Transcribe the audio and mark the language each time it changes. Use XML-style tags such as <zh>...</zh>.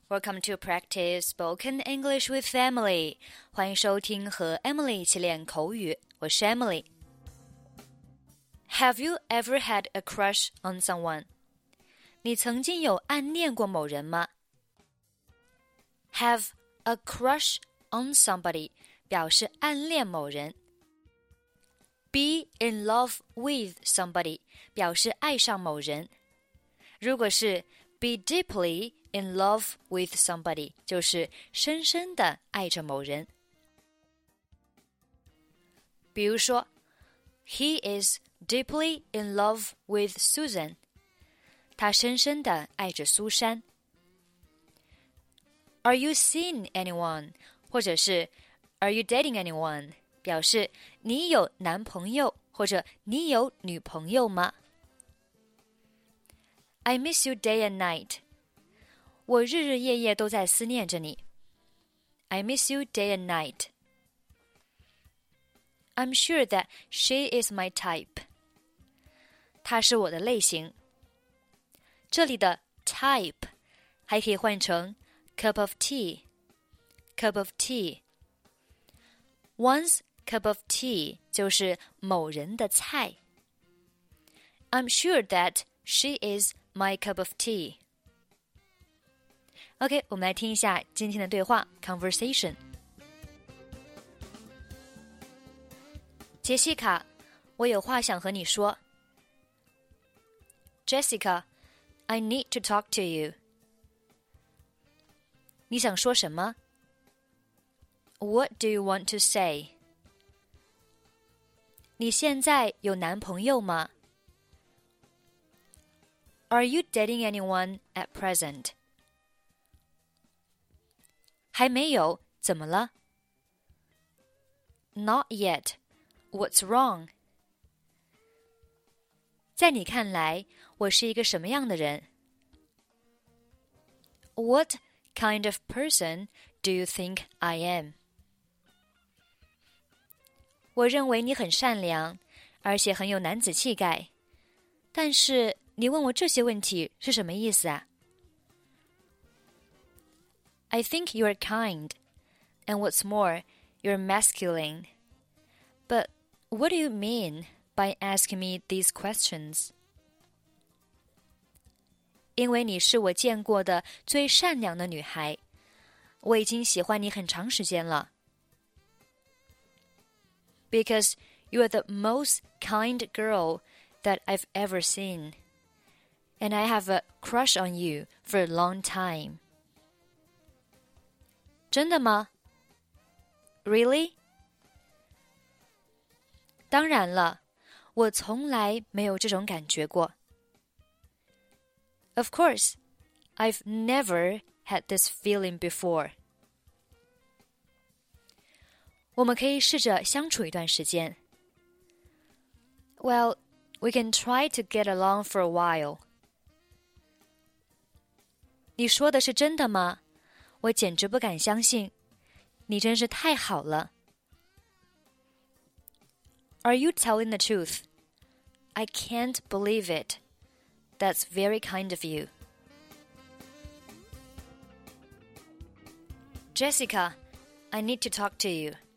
<en>Welcome to Practice Spoken English with Emily.</en> <zh>欢迎收听和 Emily 一起练口语。我是 Emily.</zh> <en>Have you ever had a crush on someone?</en> <zh>你曾经有暗恋过某人吗?</zh> <en>Have a crush on somebody</en> <zh>表示暗恋某人。</zh> <en>Be in love with somebody</en> <zh>表示爱上某人。如果是</zh> <en>Be deeply in love with somebody,</en> <zh>就是深深地爱着某人。比如说</zh> <en>,He is deeply in love with Susan.</en> <zh>他深深地爱着苏珊。</zh> <en>Are you seeing anyone? 或者是 ,Are you dating anyone?</en> <zh>表示你有男朋友或者你有女朋友吗?</zh> <en>I miss you day and night.</en> <zh>我日日夜夜都在思念着你。</zh> <en>I miss you day and night. I'm sure that she is my type.</en> <zh>她是我的类型。这里的 type 还可以换成</zh> <en>cup of tea. Cup of tea. One's cup of tea</en> <zh>就是某人的菜。</zh> <en>I'm sure that she is my cup of tea.</en> <zh>OK, 我们来听一下今天的对话</zh> <en>conversation.</en> <zh>杰西卡，我有话想和你说。</zh> <en>Jessica, I need to talk to you.</en> <zh>你想说什么？</zh> <en>What do you want to say?</en> <zh>你现在有男朋友吗？</zh> <en>Are you dating anyone at present?</en> <zh>还没有，怎么了？</zh> <en>Not yet. What's wrong?</en> <zh>在你看来，我是一个什么样的人？</zh> <en>What kind of person do you think I am?</en> <zh>我认为你很善良，而且很有男子气概，但是你问我这些问题是什么意思啊?</zh> <en>I think you are kind, and what's more, you're masculine. But what do you mean by asking me these questions?</en> <zh>因为你是我见过的最善良的女孩，我已经喜欢你很长时间了。</zh> <en>Because you are the most kind girl that I've ever seen. And I have a crush on you for a long time.</en> <zh>真的吗?</zh> <en>Really?</en> <zh>当然了,我从来没有这种感觉过。</zh> <en>Of course, I've never had this feeling before.</en> <zh>我们可以试着相处一段时间。</zh> <en>Well, we can try to get along for a while.</en> <zh>你说的是真的吗？我简直不敢相信，你真是太好了。</zh> <en>Are you telling the truth? I can't believe it. That's very kind of you. Jessica, I need to talk to you.</en>